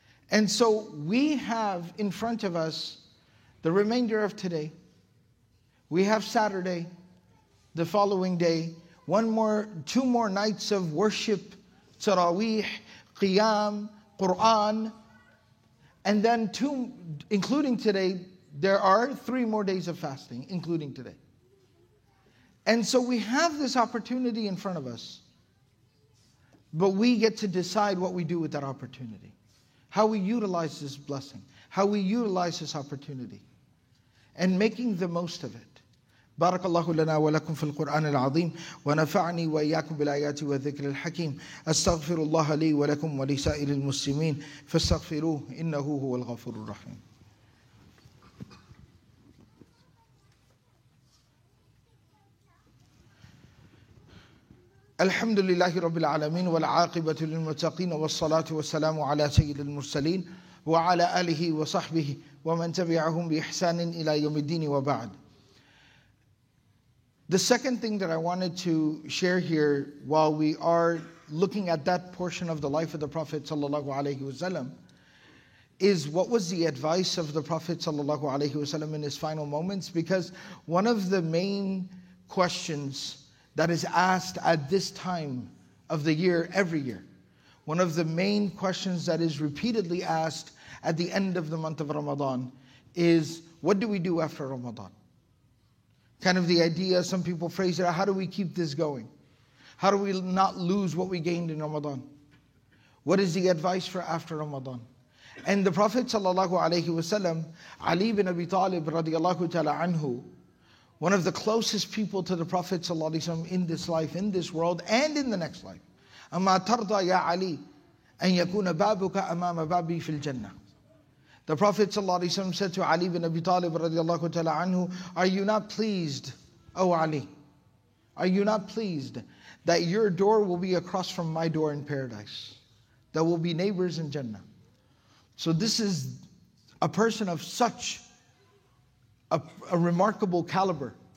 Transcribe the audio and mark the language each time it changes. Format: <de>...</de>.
<en>And so we have in front of us The remainder of today, we have Saturday, the following day, two more nights of worship, Taraweeh, Qiyam, Quran, and then two, including today, there are three more days of fasting, including today. And so we have this opportunity in front of us, but we get to decide what we do with that opportunity, how we utilize this blessing, how we utilize this opportunity, and making the most of it.</en> <ar>بارك الله لنا ولكم في القرآن العظيم ونفعني وإياكم بالآيات والذكر الحكيم أستغفر الله لي ولكم ولسائر المسلمين فاستغفروه إنه هو الغفور الرحيم. الحمد لله رب العالمين والعاقبة للمتقين والصلاة والسلام على سيد المرسلين وعلى آله وصحبه ومن تبعهم بإحسان إلى يوم الدين وبعد.</ar> <en>The second thing that I wanted to share here while we are looking at that portion of the life of the Prophet sallallahu alaihi wasallam is what was the advice of the Prophet sallallahu alaihi wasallam in his final moments, because one of the main questions that is asked at this time of the year every year, one of the main questions that is repeatedly asked at the end of the month of Ramadan is, what do we do after Ramadan? Kind of the idea, some people phrase it, how do we keep this going? How do we not lose what we gained in Ramadan? What is the advice for after Ramadan? And the Prophet sallallahu alaihi wasallam, Ali ibn Abi Talib radiallahu ta'ala anhu, one of the closest people to the Prophet sallallahu alaihi wasallam in this life, in this world, and in the next life.</en> <ar>أَمَّا تَرْضَى يَا عَلِي أَن يَكُونَ بَابُكَ أَمَامَ بَابِي فِي الْجَنَّةِ.</ar> <en>The Prophet ﷺ said to Ali ibn Abi Talib radiallahu ta'ala anhu, are you not pleased, O Ali? Are you not pleased that your door will be across from my door in paradise? That will be neighbors in Jannah. So this is a person of such a remarkable caliber.</en>